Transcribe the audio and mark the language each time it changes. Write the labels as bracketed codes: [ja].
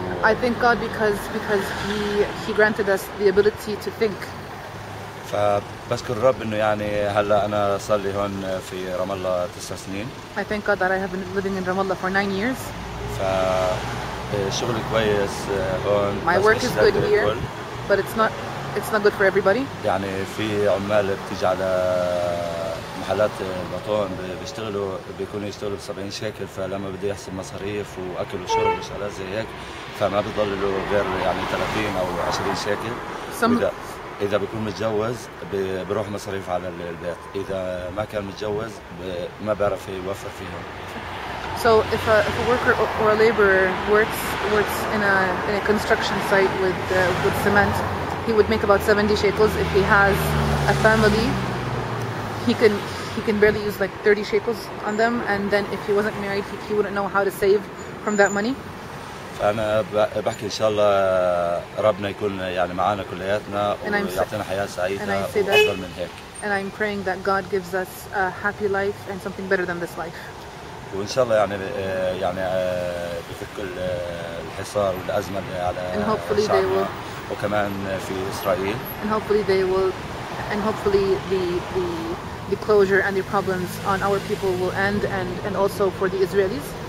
[en] I thank God because he granted us the ability to think. [ar] فبشكر الرب انه يعني هلا انا صار لي هون في رام الله 9 سنين. [en] I thank God that I have been living in Ramallah for 9 years. [ar] فشغلي كويس هون. [en] My work is good here, but it's not good for everybody. [ar] يعني في عمال بتيجي على محلات البطون بيشتغلوا بيكونوا يشتغلوا ب 70 شيكل فلما بدي احسب مصاريف واكل وشرب وشغلات زي هيك فما بضل له غير يعني 30 او 20 شيكل. إذا بيكون متجوز بروح مصاريف على البيت إذا ما كان متجوز ما بعرف يوفر فيهم. [en] So if a worker or a laborer works in a construction site with cement, he would make about 70 shekels. If he has a family, he can barely use like 30 shekels on them. And then if he wasn't married, he wouldn't know how to save from that money. [ar] فأنا بحكي إن شاء الله ربنا يكون يعني معانا كلياتنا ويعطينا حياة سعيدة وأفضل من هيك. [en] And I'm praying that God gives us a happy life and something better than this life. [ar] وإن شاء الله يعني بفك الحصار والأزمة على شعبنا وكمان في إسرائيل. [en] And hopefully they will, and hopefully the closure and the problems on our people will end and also for the Israelis.